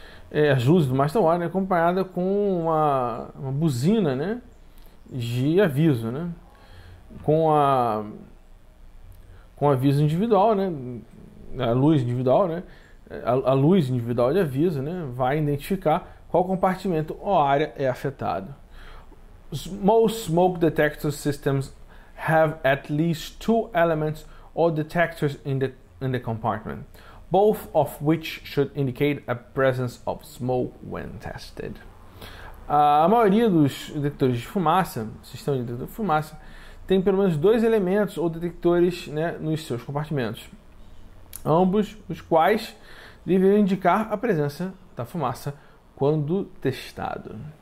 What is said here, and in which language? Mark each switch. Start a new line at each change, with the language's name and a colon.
Portuguese: As luzes do Master Warning acompanhada com uma buzina, né, de aviso, né, com aviso individual, né, a luz individual de aviso, né, vai identificar qual compartimento ou área é afetado.
English: Most smoke detector systems have at least two elements or detectors in the compartment, both of which should indicate a presence of smoke when tested.
Portuguese: A maioria dos detectores de fumaça, sistema de detector de fumaça, tem pelo menos dois elementos ou detectores, né, nos seus compartimentos, ambos os quais devem indicar a presença da fumaça quando testado.